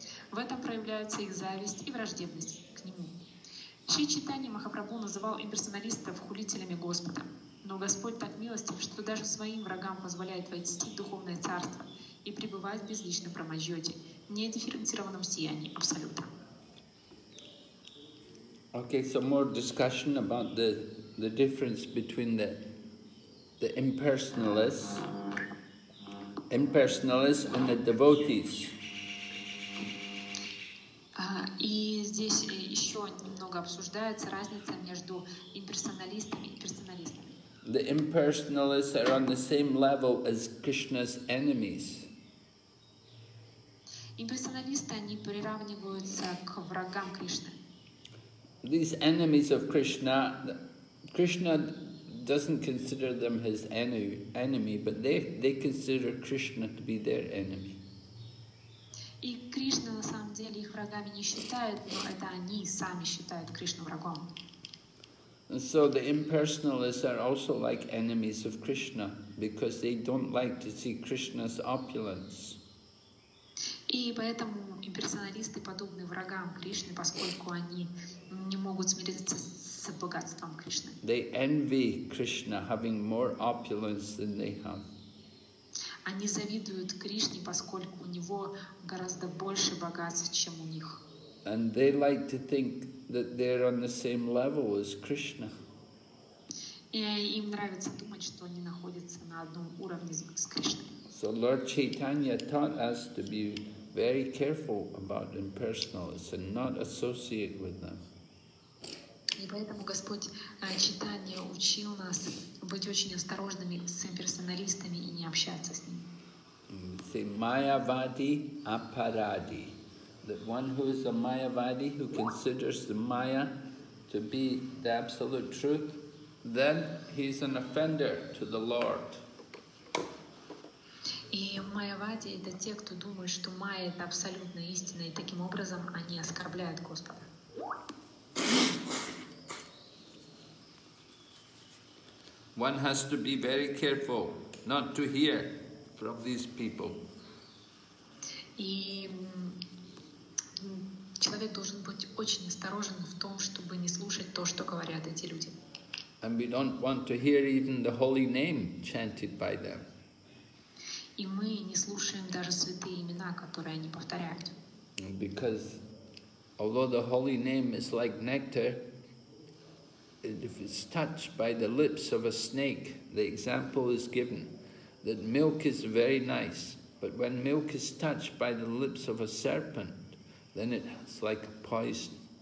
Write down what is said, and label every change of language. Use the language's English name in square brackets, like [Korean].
[Russian] В этом проявляется их зависть и враждебность к Нему. Шри Чайтанья Махапрабху называл имперсоналистов хулителями Господа. Но Господь так милостив, что даже своим врагам позволяет войти в духовное царство и пребывать в безличном Брахма Джоти, недифференцированном сиянии Абсолюта. [English] Okay, so more discussion about the difference between the impersonalists and the devotees. [Russian] И здесь еще немного обсуждается разница между имперсоналистами и персоналистами. [English] The impersonalists are on the same level as Krishna's enemies. [Russian] Имперсоналисты они приравниваются к врагам Кришны. [English] These enemies of Krishna, Krishna doesn't consider them his enemy, but they consider Krishna to be their enemy. [Russian] И Кришна на самом деле их врагами не считает, но это они сами считают Кришну врагом. [English] And so the impersonalists are also like enemies of Krishna, because they don't like to see Krishna's opulence. [Russian] И поэтому имперсоналисты подобны врагам Кришны, поскольку они не могут смириться с богатством Кришны. [English] They envy Krishna having more opulence than they have. [Russian] Они завидуют Кришне, поскольку у него гораздо больше богатств, чем у них. [English] And they like to think that they're on the same level as Krishna. [Russian] И им нравится думать, что они находятся на одном уровне с Кришной. [English] So Lord Chaitanya taught us to be very careful about impersonalists and not associate with them. [Russian] И поэтому Господь Чайтанья учил нас быть очень осторожными с имперсоналистами и не общаться с ними. [English] Say mayavadi aparadi. That one who is a mayavadi, who considers the maya to be the absolute truth, then he's an offender to the Lord. [Russian] И майявади — это те, кто думает, что майя — это абсолютная истина, и таким образом они оскорбляют Господа. [English] One has to be very careful not to hear from these people. [Russian] И человек должен быть очень осторожен в том, чтобы не слушать то, что говорят эти люди. [English] And we don't want to hear even the holy name chanted by them. [Russian] И мы не слушаем даже святые имена, которые они повторяют. [English] Because although the holy name is like nectar, if it's touched by the lips of a snake, the example is given that milk is very nice, but when milk is touched by the lips of a serpent, then it's like a poison.